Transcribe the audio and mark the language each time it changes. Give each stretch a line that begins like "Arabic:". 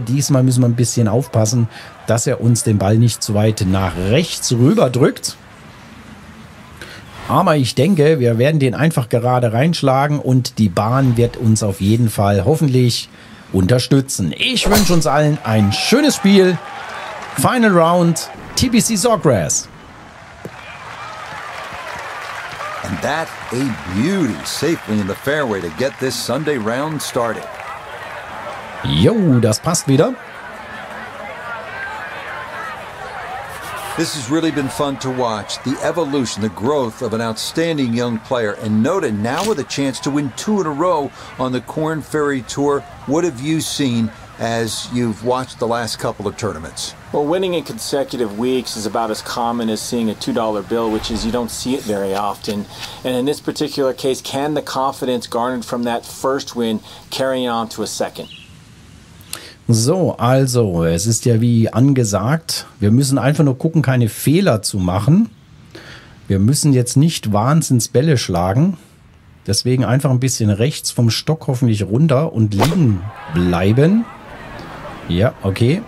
German: Diesmal müssen wir ein bisschen aufpassen, dass er uns den Ball nicht zu weit nach rechts rüber drückt. Aber ich denke, wir werden den einfach gerade reinschlagen und die Bahn wird uns auf jeden Fall hoffentlich unterstützen. Ich wünsche uns allen ein schönes Spiel.
English: Final Round, TPC Sawgrass. And that a beauty, safely in the fairway to get this Sunday round started.
German: Jo, das passt wieder.
English: This has really been fun to watch. The evolution, the growth of an outstanding young player. And Noda now with a chance to win two in a row on the Korn Ferry Tour. What have you seen as you've watched the last couple of tournaments? Well, winning in consecutive weeks is about as common as seeing a $2 bill, which is you don't see it very often. And in this particular case, can the confidence garnered from that first win carry on to a second?
German: So, also, es ist ja wie angesagt, wir müssen einfach nur gucken, keine Fehler zu machen. Wir müssen jetzt nicht wahnsinns Bälle schlagen. Deswegen einfach ein bisschen rechts vom Stock hoffentlich runter und liegen bleiben. Ja, okay.